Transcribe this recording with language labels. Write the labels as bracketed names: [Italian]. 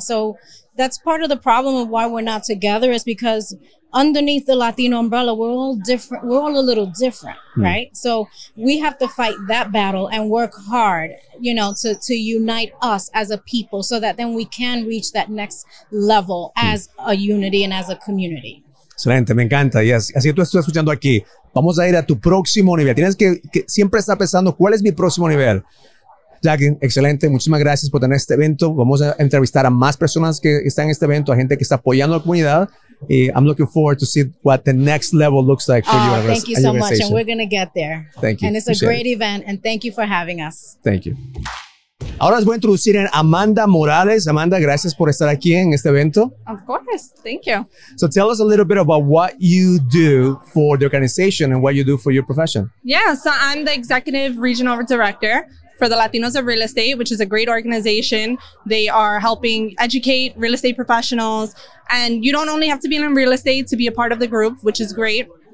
[English] So that's part of the problem of why we're not together, is because underneath the Latino umbrella, we're all different. We're all a little different, right? So we have to fight that battle and work hard, you know, to unite us as a people so that then we can reach that next level as a unity and as a community. [Spanish] Excelente, me encanta. Y así tú estás escuchando aquí. Vamos a ir a tu próximo nivel. Tienes que siempre estar pensando, ¿cuál es mi próximo nivel? Jackie, excelente. Muchísimas gracias por tener este evento. Vamos a entrevistar a más personas que están en este evento, a gente que está apoyando a la comunidad. [English] I'm looking forward to see what the next level looks like for you. Thank you so much. And we're going to get there. Thank you. And it's a great event. And thank you for having us. Thank you. [Spanish] Ahora les voy a introducir a Amanda Morales. Amanda, gracias por estar aquí en este evento. [English] Of course. Thank you. So tell us a little bit about what you do for the organization and what you do for your profession. Yeah. So I'm the executive regional director for the Latinos of Real Estate, which is a great organization. They are helping educate real estate professionals. And you don't only have to be in real estate to be a part of the group, which is great.